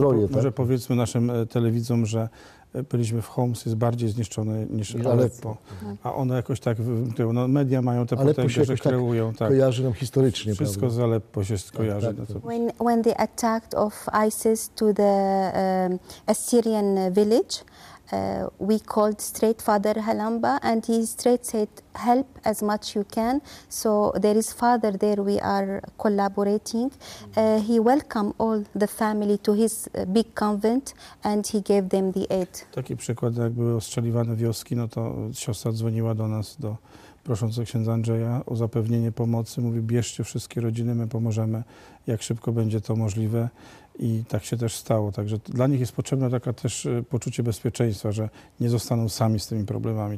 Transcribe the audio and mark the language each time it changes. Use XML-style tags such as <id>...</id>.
<pl>Może powiedzmy naszym telewidzom, że byliśmy w Homs, jest bardziej zniszczone niż Aleppo. A one jakoś tak, no media mają te potęgę, się że kreują. Tak, kojarzy nam historycznie. Wszystko prawda? Z Aleppo się kojarzy.</pl> <en>When they attacked of ISIS to the Assyrian village, we called straight Father Halamba and he straight said, help as much you can. So there is Father there, we are collaborating. He welcomed all the family to his big convent and he gave them the aid.</en> <pl>Taki przykład, jak były ostrzeliwane wioski, no to siostra dzwoniła do nas, do prosząc o księdza Andrzeja o zapewnienie pomocy. Mówi, bierzcie wszystkie rodziny, my pomożemy, jak szybko będzie to możliwe. I tak się też stało. Także dla nich jest potrzebne taka też poczucie bezpieczeństwa, że nie zostaną sami z tymi problemami.</pl>